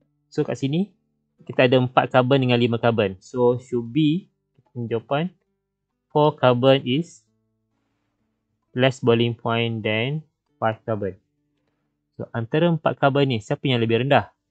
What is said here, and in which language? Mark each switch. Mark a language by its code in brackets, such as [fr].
[ms] So kat sini kita ada 4 carbon dengan 5 carbon. [en] So should be jawapan 4 carbon is less boiling point than 5 carbon. [ms] So antara 4 carbon ni siapa yang lebih rendah?